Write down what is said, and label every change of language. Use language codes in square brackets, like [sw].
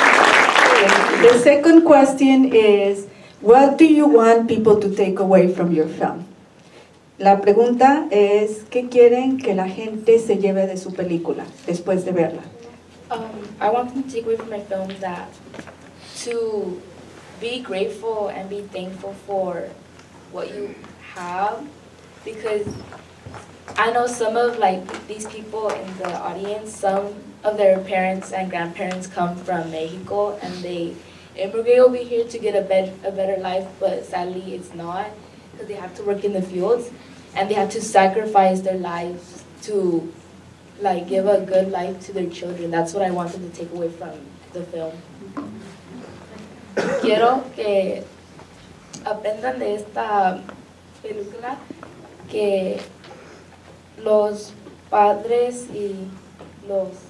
[en] The second question is, what do you want people to take away from your film? [es] La pregunta es, ¿qué quieren que la gente se lleve de su película después de verla? [en] I want them to take away from my film that to be grateful and be thankful for what you have, because I know some of like these people in the audience, some of their parents and grandparents come from Mexico and they immigrate over here to get a better life, but sadly it's not, because they have to work in the fields and they have to sacrifice their lives to like give a good life to their children. That's what I want them to take away from the film. [es] Quiero que aprendan de esta película que los padres y los